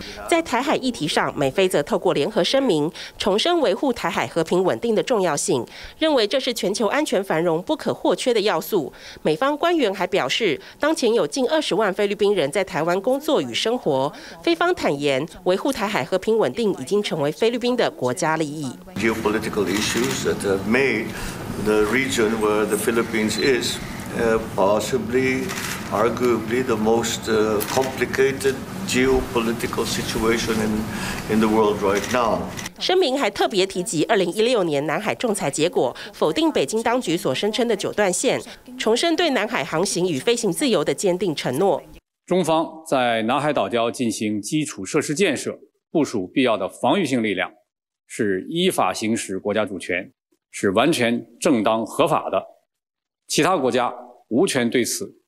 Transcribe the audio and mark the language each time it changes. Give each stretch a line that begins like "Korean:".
Chinese: 在台海议题上，美菲则透过联合声明重申维护台海和平稳定的重要性，认为这是全球安全繁荣不可或缺的要素。美方官员还表示，当前有近20万菲律宾人在台湾工作与生活，菲方坦言维护台海和平稳定已经成为菲律宾的国家利益。
English: Geopolitical issues that have made the region where the Philippines isarguably the most complicated geopolitical situation in the world right now.
Chinese: 声明还特别提及2016年南海仲裁结果，否定北京当局所声称的九段线，重申对南海航行与飞行自由的坚定承诺。中方在南海岛礁进行基础设施建设，部署必要的防御性力量，是依法行使国家主权，是完全正当合法的。其他国家无权对此